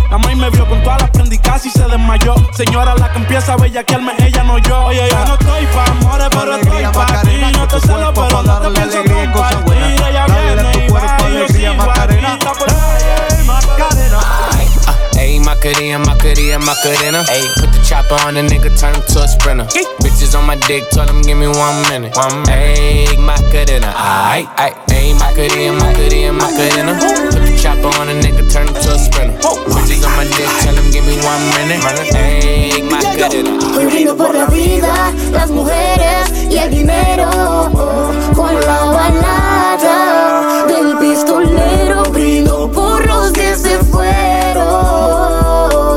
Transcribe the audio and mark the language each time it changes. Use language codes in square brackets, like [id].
[es] La mai me vio con todas las prendas y casi se desmayó. Señora, la que empieza a bellaquearme, ella no yo. Oye, yo no estoy pa' amores, pero estoy pa' ti. No te celo, pero no te pienso compartir. Ella viene y va, y yo sigo aquí. Macarena, Macarena, Macarena. Ayy. [en] Put the chopper on a nigga, turn him to a sprinter. Ayy. Bitches on my dick, tell him give me 1 minute. Ayy, Macarena, ayy, ayy. Ayy, Macarena, Macarena, Macarena. Put the chopper on a nigga, turn him to a sprinter. Bitches on my dick, tell him give me 1 minute. Ayy, Macarena. [es] Hoy brindo por la vida, las mujeres y el dinero. Con la balada del pistolero. Brindo por los que se fueron.